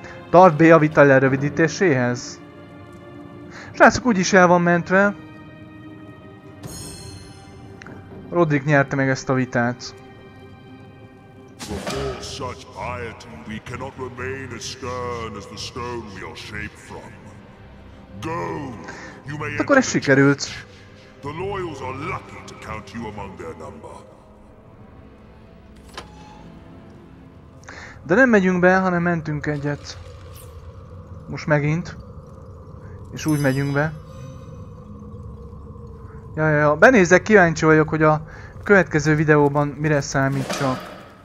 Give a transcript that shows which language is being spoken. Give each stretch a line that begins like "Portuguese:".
Hungarian: Tart B a vita lerövidítéséhez. Srácok, úgyis el van mentve. Roderick nyerte meg ezt a vitát.
English: Before such piety, we cannot remain as stern as the stone we are shaped from. Go, you may enter the church. The loyals are lucky to count you among their number.
Hungarian: De nem megyünk be, hanem mentünk egyet. Most megint. És úgy megyünk be. Ja. Benézek, kíváncsi vagyok, hogy a következő videóban mire számítsak.